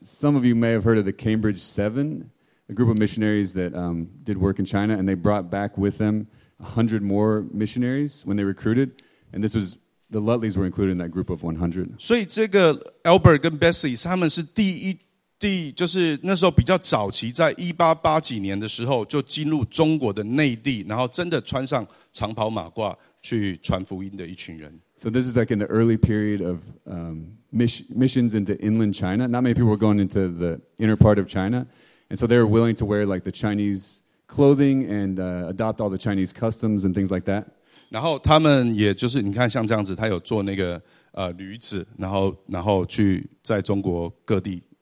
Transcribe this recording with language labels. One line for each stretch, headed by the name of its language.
English: Some of you may have heard of the Cambridge Seven, a group of missionaries that did work in China, and they brought back with them 100 more missionaries when they recruited, and this was... The Lutleys were included in that group of 100.
Chinese: 所以这个Albert and Bessie,他们是第一... 就是那时候比较早期，在1880几年的时候，就进入中国的内地，然后真的穿上长袍马褂去传福音的一群人。So
English: this is like in the early period of missions into inland China. Not many people were going into the inner part of China, and so they were willing to wear like the Chinese clothing and adopt all the Chinese customs and things like that.
Chinese: 然后他们也就是你看像这样子，他有做那个驴子，然后去在中国各地。